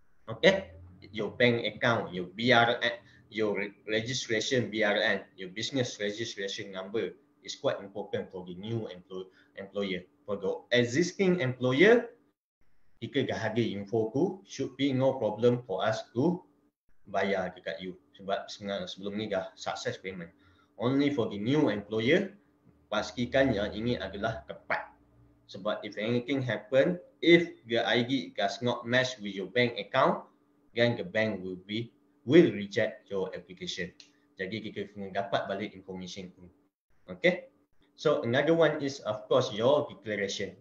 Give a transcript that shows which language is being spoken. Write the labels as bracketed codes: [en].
[en] Okay, your bank account, your BRN, your registration BRN, your business registration number is quite important for the new employer. For the existing employer, [ms] jika dah ada info ku, [en] should be no problem for us to [ms] bayar dekat [en] you. [ms] Sebab sebelum ni dah [en] success payment. Only for the new employer, [ms] pastikan yang ini adalah tepat. [en] Sebab if anything happen, if the ID does not match with your bank account, then the bank will reject your application. [ms] Jadi kita kena dapat balik information tu. Okay. [en] So another one is of course your declaration.